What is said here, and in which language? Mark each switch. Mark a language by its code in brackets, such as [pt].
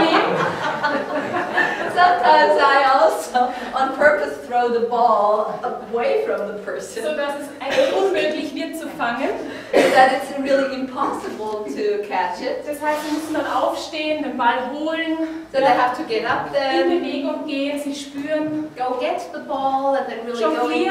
[en] Sometimes I also, on purpose, throw the ball away from the person. [de] So dass es eigentlich unmöglich wird zu fangen. [en] That it's really impossible to catch it. [de] Das heißt, sie müssen dann aufstehen, den Ball holen. [en] So they have to get up then. [de] In Bewegung gehen, sie spüren. [en] Go get the ball and then really go into